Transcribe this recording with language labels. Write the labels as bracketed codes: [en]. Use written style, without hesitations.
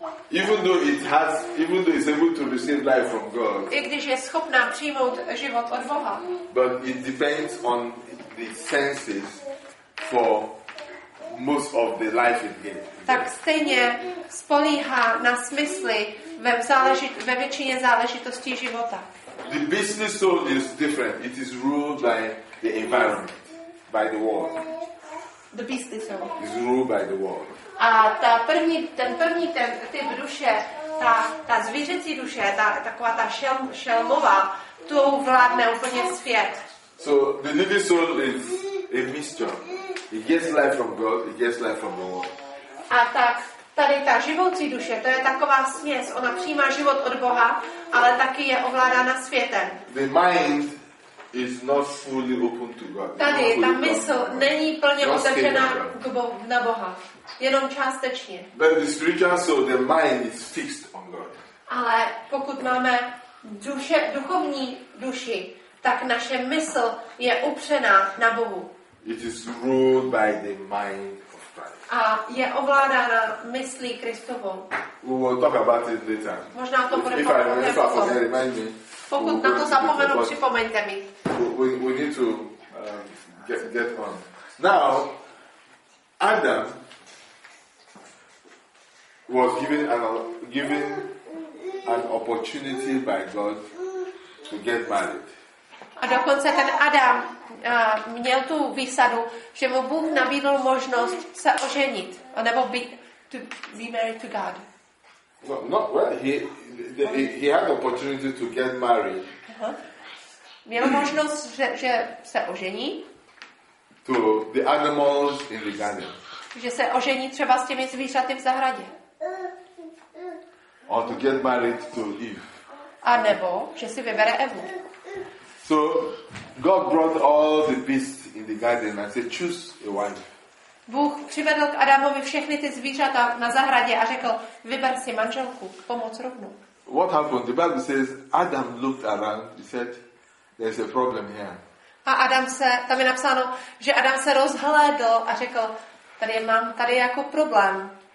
[en] Even though it's able to receive life from God. [cs] I když je schopná přijmout život od Boha. [en] But it depends on the senses for most of the life it gives. [cs] Tak stejně spolíhá na smysly ve většině záležitostí života. [en] The beastly soul is different. It is ruled by the environment, by the world. The beastly soul is ruled by the world. [cs] A ten první typ duše, ta zvířecí duše, taková ta šelmová, tu vládne úplně svět. [en] So the living soul is a mixture. It gets life from God, it gets life from the world. [cs] A tak tady ta živoucí duše, to je taková směs, ona přijímá život od Boha, ale taky je ovládána světem. [en] The mind is not fully open to God. [cs] Tady ta mysl není plně otevřená na Boha. Jenom částečně. [en] But the spiritual soul, the mind is fixed on God. [cs] Ale pokud máme duchovní duši, tak naše mysl je upřená na Bohu. [en] It is ruled by the mind of Christ. [cs] A je ovládána myslí Kristovou. [en] We will talk about it later. [cs] Možná to bude pomoci. Pokud na to zapomenu, připomeňte mi. [en] We need to get on. Now, Adam was given an opportunity by God to get married. [cs] A dokonce ten Adam měl tu výsadu, že mu Bůh nabídl možnost se oženit, nebo [en] to be married to God. He had the opportunity to get married. [cs] Uh-huh. Měl možnost, že se ožení. [en] To the animals in the garden. [cs] Že se ožení třeba s těmi zvířaty v zahradě. [en] Or to get married to Eve. [cs] A nebo že si vybere Evu. [en] So God brought all the beasts in the garden and said, "Choose a wife." [cs] Bůh přivedl k Adamovi všechny ty zvířata na zahradě a řekl: "Vyber si manželku, pomoc rovnou." [en] What happened? The Bible says Adam looked around. He said, "There's a problem here." [cs] A Adam se, tam je napsáno, že Adam se rozhlédl a řekl: "Tady mám, tady je jako problém."